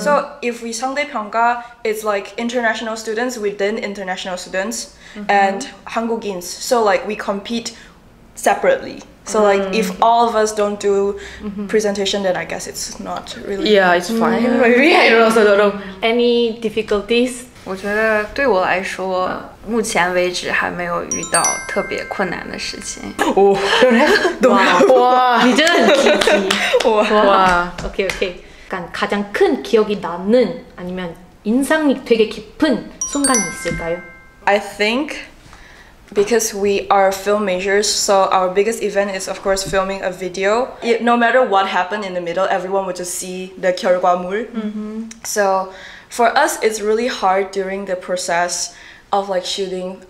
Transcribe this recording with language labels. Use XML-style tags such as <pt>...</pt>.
<en>So if we 상대평가, it's like international students within international students and 한국인s. So like we compete separately. So like if all of us don't do presentation, then I guess it's not really. Yeah, it's fine. Maybe I also don't know. Any difficulties?</en> <zh>我觉得对我来说, 目前为止还没有遇到特别困难的事情。你真的很积极。</zh> <ko>가장 큰 기억이 남는 아니면 인상이 되게 깊은 순간이 있을까요?</ko> <en>I think because we are film majors, so our biggest event is of course filming a video. No matter what happened in the middle, everyone would just see the 결과물. So for us, it's really hard during the process of like shooting.</en>